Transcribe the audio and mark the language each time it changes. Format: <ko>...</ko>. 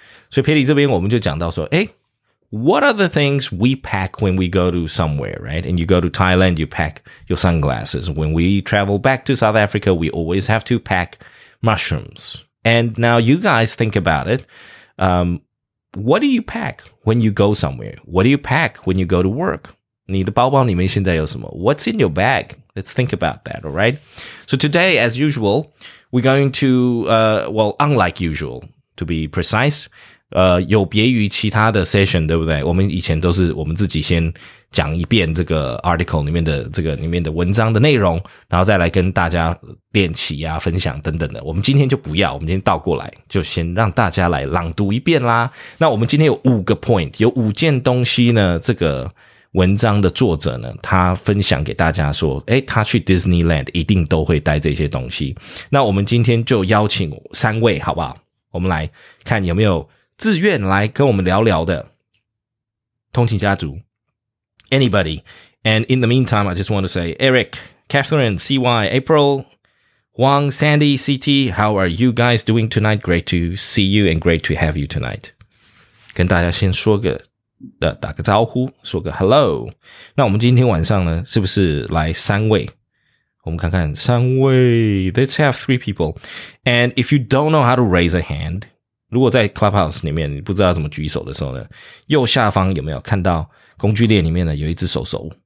<en>So, Pity,</en> <zh>这边我们就讲到说，欸,</zh> <en>what are the things we pack when we go to somewhere, right? And you go to Thailand, you pack your sunglasses. When we travel back to South Africa, we always have to pack mushrooms. And now you guys think about it. What do you pack when you go somewhere? What do you pack when you go to work?</en> <zh>你的包包里面现在有什么?</zh> <en>What's in your bag? Let's think about that, all right? So today, as usual, we're going to, well, unlike usual, to be precise,</en> <zh>有别于其他的</zh> <en>session,</en> <zh>对不对? 我们以前都是我们自己先讲一遍这个 article 里面的这个里面的文章的内容,然后再来跟大家练习啊,分享等等的。我们今天就不要,我们今天倒过来,就先让大家来朗读一遍啦。那我们今天有五个 point, 有五件东西呢,这个文章的作者呢，他分享给大家说，欸，他去 Disneyland 一定都会带这些东西。那我们今天就邀请三位，好不好？我们来看有没有自愿来跟我们聊聊的通勤家族 ，anybody。</zh> <en>And in the meantime, I just want to say, Eric, Catherine, CY, April, Wang, Sandy, CT, how are you guys doing tonight? Great to see you and great to have you tonight.</en> <zh>跟大家先说个。打个招呼，说个 hello。那我们今天晚上呢，是不是来三位？我们看看三位。</zh> <en>Let's have three people. And if you don't know how to raise a hand,</en> <zh>如果在 Clubhouse 里面你不知道怎么举手的时候呢，右下方有没有看到工具列里面呢有一只手手？</zh>